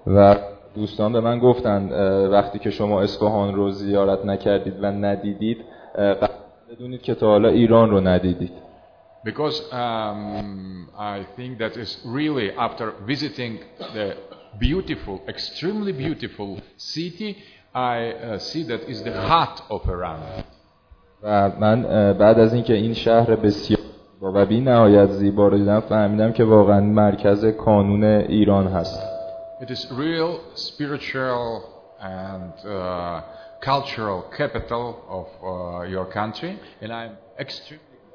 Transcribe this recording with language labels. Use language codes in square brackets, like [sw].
[fa] و دوستان به من گفتند وقتی که شما اصفهان رو زیارت نکردید و ندیدید، بدونید که تا حالا ایران رو ندیدید. [en] Because I think that is really after visiting the beautiful, extremely beautiful city, I see that is the heart of Iran. [fa] و من بعد از اینکه این شهر بسیار با و بی نهایت زیبا رو دیدم، فهمیدم که واقعا مرکز کانون ایران هست. [en] It is real spiritual and cultural capital of your country, and I'm extremely